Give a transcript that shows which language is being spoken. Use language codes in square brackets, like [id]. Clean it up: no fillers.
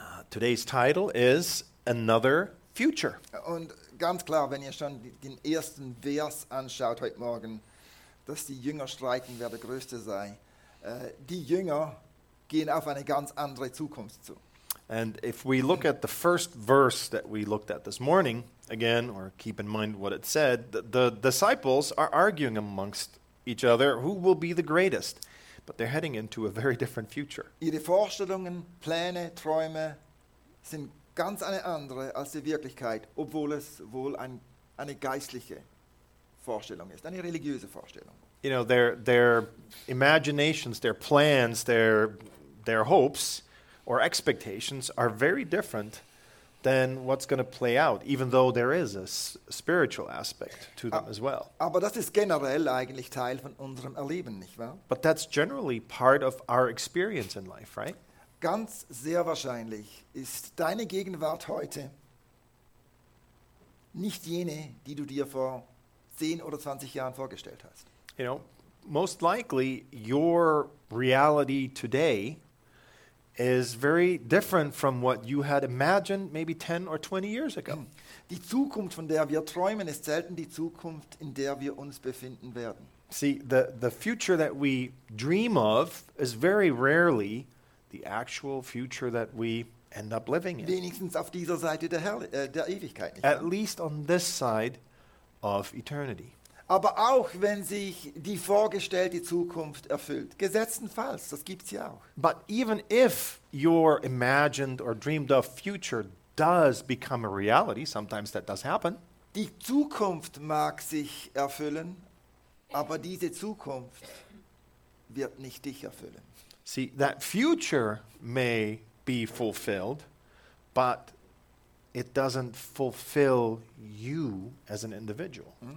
[en] Today's title is Another Future. [de] Und ganz klar, wenn ihr schon den ersten Vers anschaut heute Morgen, dass die Jünger streiten, wer der Größte sei. Die Jünger gehen auf eine ganz andere Zukunft zu. [en] And if we look at the first verse that we looked at this morning, again, or keep in mind what it said, the disciples are arguing amongst each other, who will be the greatest? But they're heading into a very different future. [de] Ihre Vorstellungen, Pläne, Träume sind ganz eine andere als die Wirklichkeit, obwohl es wohl eine geistliche Vorstellung ist, eine religiöse Vorstellung. [en] You know, their imaginations, their plans, their hopes or expectations are very different than what's going to play out, even though there is a spiritual aspect to them as well. [de] Aber das ist generell eigentlich Teil von unserem Erleben, nicht wahr? [en] But that's generally part of our experience in life, right? [de] Ganz sehr wahrscheinlich ist deine Gegenwart heute nicht jene, die du dir vor 10 oder 20 Jahren vorgestellt hast. [en] You know, most likely your reality today is very different from what you had imagined maybe 10 or 20 years ago. [de] Die Zukunft, von der wir träumen, ist selten die Zukunft, in der wir uns befinden werden. [en] See, the future that we dream of is very rarely the actual future that we end up living in. [de] Wenigstens auf dieser Seite der Ewigkeit. [en] At least on this side of eternity. [de] Aber auch wenn sich die vorgestellte Zukunft erfüllt, gesetztenfalls, das gibt's ja auch. [en] But even if your imagined or dreamed of future does become a reality, sometimes that does happen. [de] Die Zukunft mag sich erfüllen, aber diese Zukunft wird nicht dich erfüllen. [en] See, that future may be fulfilled, but it doesn't fulfill you as an individual.